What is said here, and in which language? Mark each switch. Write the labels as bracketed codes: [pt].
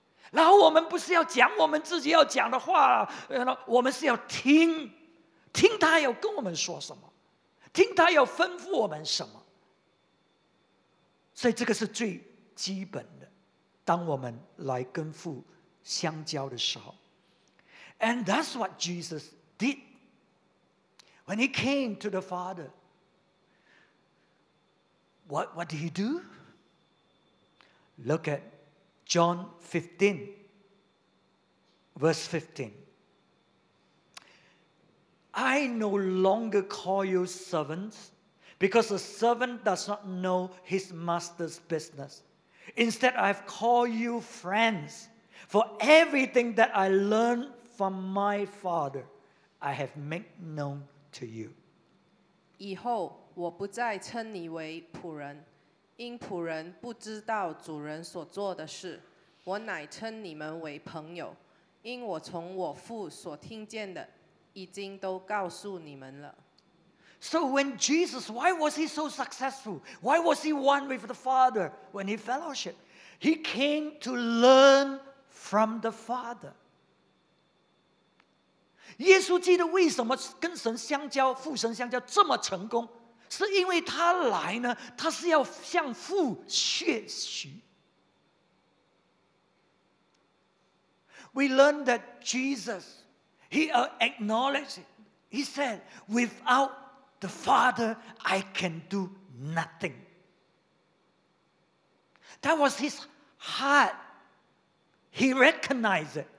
[zh] 然后我们不是要讲我们自己要讲的话，我们是要听，听他要跟我们说什么，听他要吩咐我们什么。所以这个是最基本的，当我们来跟父相交的时候。 [en] And that's what Jesus did. When he came to the Father, what did he do? Look at John 15, verse 15. I no longer call you servants, because a servant does not know his master's business. Instead, I have called you friends, for everything that I learned from my Father, I have made known to you. [zh] 以后我不再称你为仆人，因仆人不知道主人所做的事。我乃称你们为朋友，因我从我父所听见的，已经都告诉你们了。 [en] So when Jesus, why was he so successful? Why was he one with the Father when he fellowship? He came to learn from the Father. [zh] 耶稣基督为什么跟神相交、父神相交这么成功？是因为他来呢，他是要向父学习。 [en] We learn that Jesus, he acknowledged, he said, without the Father, I can do nothing. That was his heart. He recognized it.